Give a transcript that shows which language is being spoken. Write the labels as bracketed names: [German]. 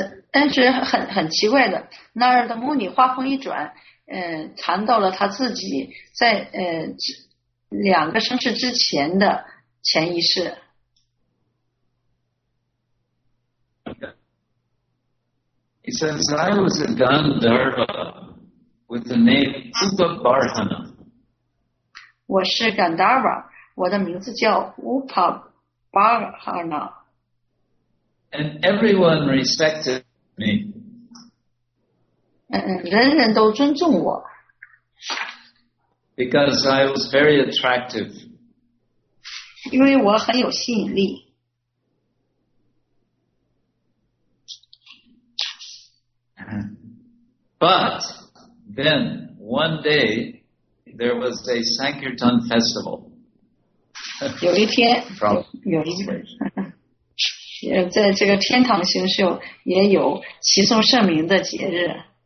[Chinese] 但是很奇怪的，纳尔德穆尼话锋一转，谈到了他自己在两个生世之前的前一世。 [English] He says, I was a Gandharva with the name Upabarhana. [Chinese] 我是 Gandharva, 我的名字叫 Upabarhana. [English] And everyone respected me. [Chinese] 人人都尊重我。 [English] Because I was very attractive. [Chinese] 因为我很有吸引力。 [English] But then one day there was a Sankirtan festival. [Chinese] 有一天有一个在这个天堂星宿也有齐颂圣名的节日。